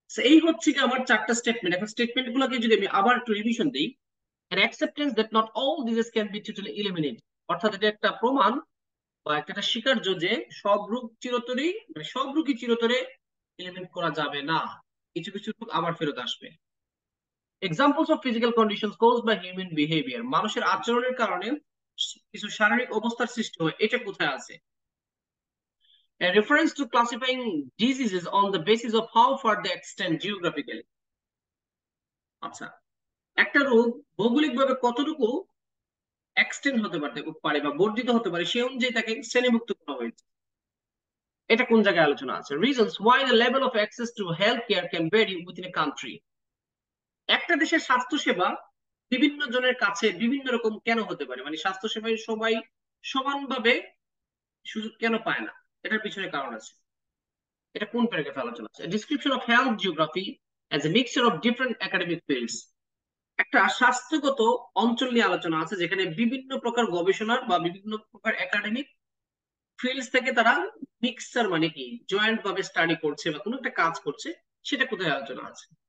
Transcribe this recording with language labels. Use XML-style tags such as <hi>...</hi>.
<bn>এই হচ্ছে কি আমার 4টা স্টেটমেন্ট। এখন স্টেটমেন্ট গুলোকে যদি আমি আবার একটু রিভিশন দিই, এর acceptance</bn> <en>that not all disease can be totally eliminate,</en> <bn>অর্থাৎ এটা একটা প্রমাণ বা একটা স্বীকার্য যে সব রোগ চিরতরে, মানে সব রোগই চিরতরে ইলিমিনেট করা যাবে না, কিছু কিছু রোগ আবার ফেরত আসবে।</bn> <en>examples of physical condition cause by human behaviour,</en> <bn>মানুষের আচরণের কারণে কিছু শারীরিক অবস্থার সৃষ্টি হয়, এটা কোথায় আছে।</bn> <en>A reference to classifying diseases on the basis of how far they extend geographically.</en> <bn>আচ্ছা, একটা রোগ ভৌগোলিকভাবে কতটুকু এক্সটেন্ড হতে পারে বা বর্ধিত হতে পারে সে অনুযায়ী তাকে শ্রেণীভুক্ত করা হয়েছে, এটা কোন জায়গায় আলোচনা আছে।</bn> <en>Reasons why the level of access to health care can vary within a country.</en> <bn>একটা দেশের স্বাস্থ্যসেবা বিভিন্ন জনের কাছে বিভিন্ন রকম কেন হতে পারে, মানে স্বাস্থ্যসেবায় সবাই সমানভাবে সুযোগ কেন পায় না, এটার পিছনে কারণ আছে, এটা কোন প্যারাগ্রাফে আলোচনা আছে।</bn> <en>description of health geography as a mixture of different academic fields,</en> <bn>একটা স্বাস্থ্যগত অঞ্চল নিয়ে আলোচনা আছে যেখানে বিভিন্ন প্রকার গবেষণার বা বিভিন্ন প্রকার একাডেমিক ফিল্ডস থেকে তারা মিক্সচার মানে কি জয়েন্ট ভাবে স্টাডি করছে বা কোনো একটা কাজ করছে, সেটা কোথায় আলোচনা আছে।</bn>